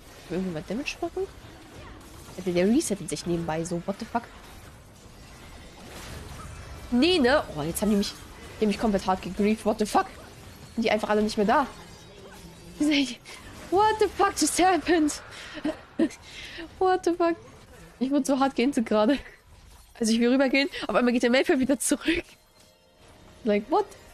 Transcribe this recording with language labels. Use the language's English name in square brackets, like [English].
[German] Irgendwie mal Damage machen? Der resettet sich nebenbei so. [English] What the fuck? [German] Nee, ne? Oh, jetzt haben die mich komplett hart gegrieft. [English] What the fuck? [German] Sind die einfach alle nicht mehr da? [English] What the fuck just happened? What the fuck? [German] Ich wurde so hart geintet gerade. Also ich will rübergehen, auf einmal geht der Mayfair wieder zurück. [English] Like, what?